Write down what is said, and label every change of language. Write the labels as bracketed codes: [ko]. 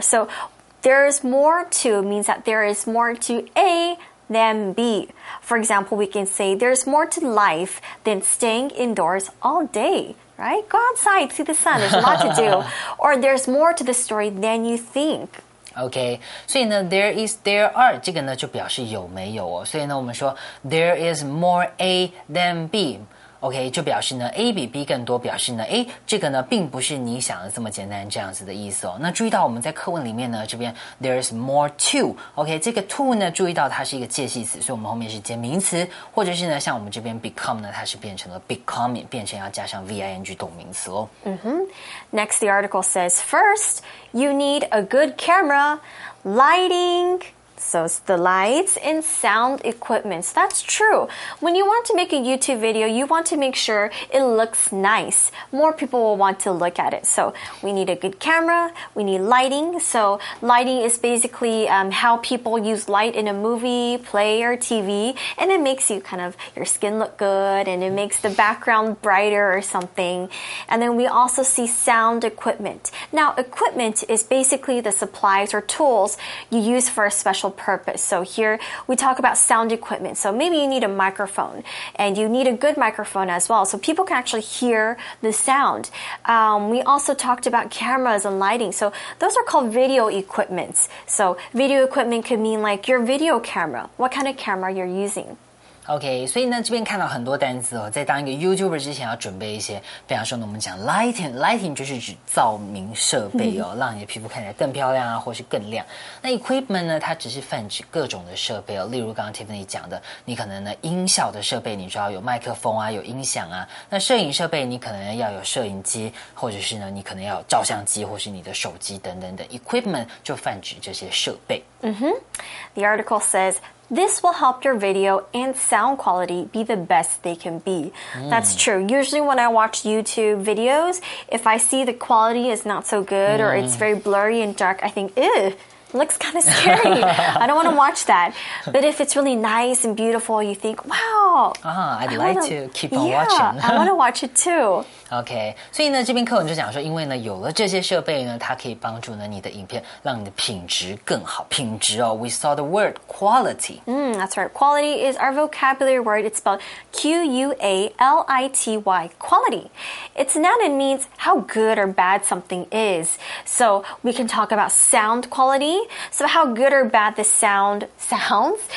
[en] So, there's more to means that there is more to A than B. For example, we can say there's more to life than staying indoors all day, right? Go outside, see the sun, there's a lot to do. Or there's more to the story than you think. [zh] Okay, 所以呢 [en] there is, there are, [zh] 这个呢就表示有没有哦。所以呢我们说 [en] there is more A than B。 [zh] OK, 就表示呢 A 比 B 更多表示呢 A 这个呢并不是你想的这么简单这样子的意思哦。那注意到我们在课文里面呢这边 [en] there's more to, [zh] OK, 这个 to 呢注意到它是一个介系词，所以我们后面是接名词，或者是呢像我们这边 become 呢它是变成了 becoming, 变成要加上 V-I-N-G 动名词哦。 [en] Next, the article says, first, you need a good camera, lighting,So it's the lights and sound equipment. So that's true. When you want to make a YouTube video, you want to make sure it looks nice. More people will want to look at it. So we need a good camera. We need lighting. So lighting is basically how people use light in a movie, play, or TV. And it makes you kind of your skin look good. And it makes the background brighter or something. And then we also see sound equipment. Now, equipment is basically the supplies or tools you use for a special purpose. So here we talk about sound equipment. So maybe you need a microphone and you need a good microphone as well. So people can actually hear the sound. We also talked about cameras and lighting. So those are called video equipments. So video equipment could mean like your video camera. What kind of camera you're using? [zh] OK, 所以呢这边看到很多单字哦，在当一个 YouTuber 之前要准备一些，比方说呢我们讲 lighting 就是指照明设备哦，让你的皮肤看起来更漂亮啊，或是更亮。那 equipment 呢它只是泛指各种的设备哦，例如刚刚 Tiffany 讲的，你可能呢音效的设备你需要有麦克风啊，有音响啊，那摄影设备你可能要有摄影机，或者是呢你可能要有照相机或是你的手机等等等 ,equipment 就泛指这些设备。 [en] The article says, This will help your video and sound quality be the best they can be. That's true. Usually when I watch YouTube videos, if I see the quality is not so good or it's very blurry and dark, I think, ew, looks kind of scary. I don't want to watch that. But if it's really nice and beautiful, you think, wow. I'd like to keep on watching. Yeah, I want to watch it too. Okay. [zh] 所以呢这边课文就讲说因为呢有了这些设备呢它可以帮助呢你的影片让你的品质更好。品质哦 [en] We saw the word quality. That's right. Quality is our vocabulary word. It's spelled Q-U-A-L-I-T-Y. Quality. It's a noun and means how good or bad something is. So we can talk about sound quality. So how good or bad the sound sounds.